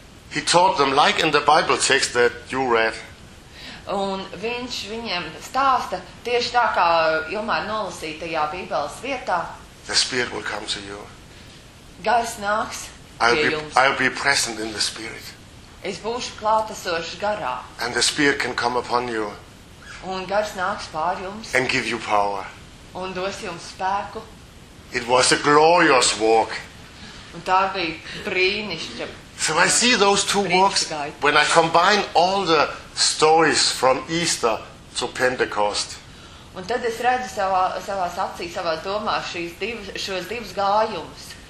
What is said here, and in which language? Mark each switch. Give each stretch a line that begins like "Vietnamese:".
English: He taught them like in the Bible text that you read.
Latvian: Un viņš viņiem stāsta tieši tā kā Ilmāra nolasītajā Bībeles vietā.
English: The Spirit will come to you.
Latvian: Gars nāks pie jums.
English: I'll be present in the Spirit.
Latvian: Es būšu klātesošs garā.
English: And the Spirit can come upon you.
Latvian: Un gars nāks pār jums.
English: And give you power.
Latvian: Un dos jums spēku.
English: It was a glorious walk.
Latvian: Un tā bija brīnišķa.
English: So I see those two walks, when I combine all the stories from Easter to Pentecost.
Latvian: Un tad es redzu savās acīs, savās domās šos divus gājumus.